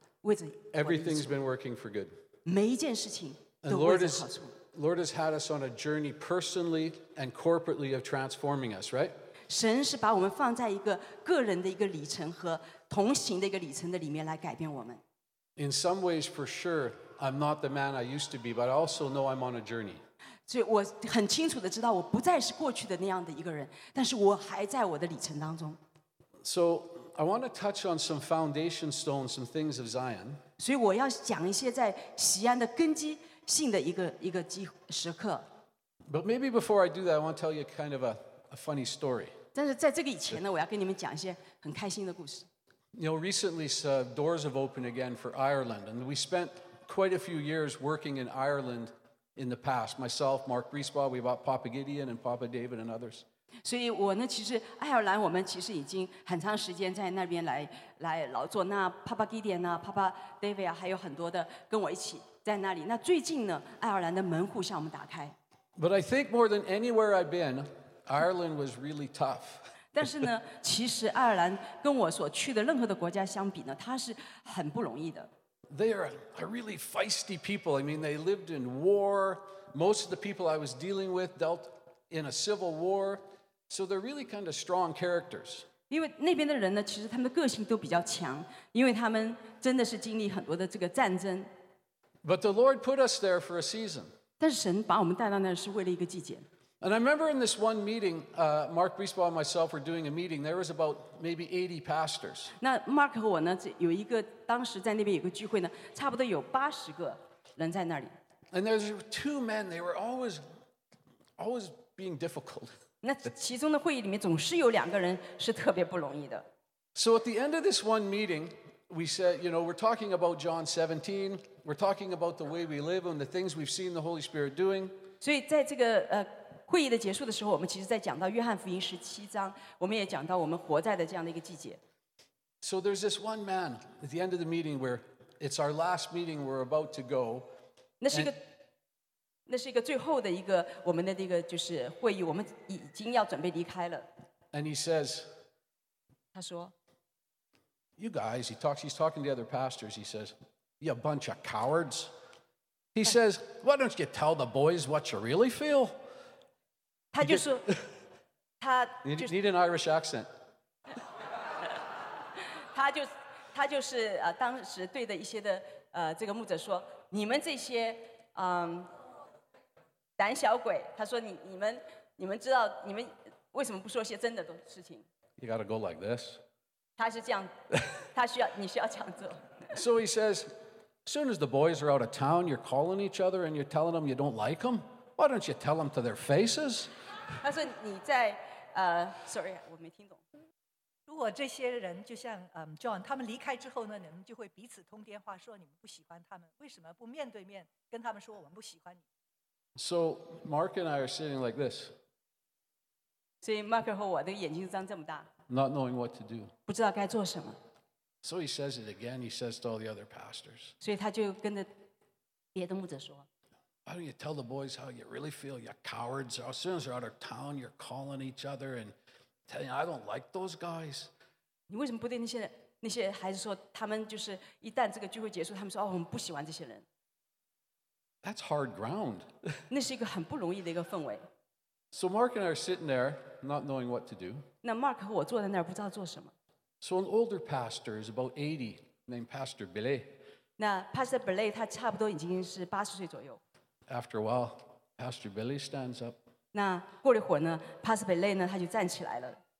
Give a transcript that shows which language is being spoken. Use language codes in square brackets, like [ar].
[en] Everything's been working for good. [zh] 每一件事情都为着好处。 [en] Lord has had us on a journey personally and corporately of transforming us, right? [zh] 神是把我们放在一个个人的一个里程和同行的一个里程的里面来改变我们。 [en] In some ways, for sure, I'm not the man I used to be, but I also know I'm on a journey. [zh] 所以我很清楚的知道我不再是过去的那样的一个人，但是我还在我的里程当中。 [en] So. I want to touch on some foundation stones, some things of Zion. [zh] 所以我要讲一些在锡安的根基性的一个时刻。 [en] But maybe before I do that, I want to tell you kind of a funny story. [zh] 但是在这个以前呢，我要跟你们讲一些很开心的故事。 [en] You know, recently, doors have opened again for Ireland, and we spent quite a few years working in Ireland in the past. Myself, Mark Briesbaugh, we bought Papa Gideon and Papa David and others. [zh] 所以我呢，其实爱尔兰，我们其实已经很长时间在那边来劳作。那 Papa Gideon 呢 ，Papa David 啊，还有很多的跟我一起在那里。那最近呢，爱尔兰的门户向我们打开。 [en] But I think more than anywhere I've been, Ireland was really tough. [zh] 但是呢，其实爱尔兰跟我所去的任何的国家相比呢，它是很不容易的。 [en] They are a really feisty people. I mean, they lived in war. Most of the people I was dealing with dealt in a civil war. So they're really kind of strong characters. [zh] 因为那边的人呢，其实他们的个性都比较强，因为他们真的是经历很多的这个战争。 [en] But the Lord put us there for a season. [zh] 但是神把我们带到那是为了一个季节。 [en] And I remember in this one meeting, Mark Briesbaugh and myself were doing a meeting. There was about maybe 80 pastors. [zh] 那 Mark 和我呢，有一个当时在那边有个聚会呢，差不多有八十个人在那里。 [en] And there were two men. They were always being difficult. [zh] 那其中的会议里面总是有两个人是特别不容易的。 [en] So at the end of this one meeting, we said, you know, we're talking about John 17. We're talking about the way we live and the things we've seen the Holy Spirit doing. [zh] 所以在这个会议的结束的时候，我们其实在讲到约翰福音十七章，我们也讲到我们活在的这样的一个季节。 [en] So there's this one man at the end of the meeting where it's our last meeting. We're about to go. [zh] 那是一个最后的一个我们的那个就是会议，我们已经要准备离开了。 [en] And he says, [zh] 他说 [en] ，You guys, he's talking to other pastors. He says, "You bunch of cowards." He says, "Why don't you tell the boys what you really feel?" [zh] 他就说，他 [en] need an Irish accent. [zh] 他就是当时对的一些的这个牧者说，你们这些胆小鬼，他说你们知道你们为什么不说些真的事情 [en] ？You gotta go like this. [zh] 他是这样，他需要你需要这样做。 [en] So he says, as soon as the boys are out of town, you're calling each other and you're telling them you don't like them. Why don't you tell them to their faces? [zh] 他说你在sorry, 我没听懂。如果这些人就像John, 他们离开之后呢，你们就会彼此通电话，说你们不喜欢他们，为什么不面对面跟他们说我们不喜欢你？ [en] So Mark and I are sitting like this. [zh] 所以 Mark 和我的眼睛张这么大。 [en] Not knowing what to do. [zh] 不知道该做什么。 [en] So he says it again. He says to all the other pastors. [zh] 所以他就跟着别的牧者说。 [en] Why don't you tell the boys how you really feel? You cowards! As soon as they're out of town, you're calling each other and telling, "I don't like those guys." [zh] 你为什么不对那些孩子说，他们就是一旦这个聚会结束，他们说，哦，我们不喜欢这些人。 [en] That's hard ground. [zh] 那是一个很不容易的一个氛围。 [en] So Mark and I are sitting there, not knowing what to do. [zh] 那 Mark 和我坐在那儿不知道做什么。 [en] So an older pastor is about 80, named Pastor Billy. [zh] 那 Pastor Billy 他差不多已经是八十岁左右。 [en] After a while, Pastor Billy stands up. [zh] 那过了一会儿呢 ，Pastor Billy 呢，他就站起来了。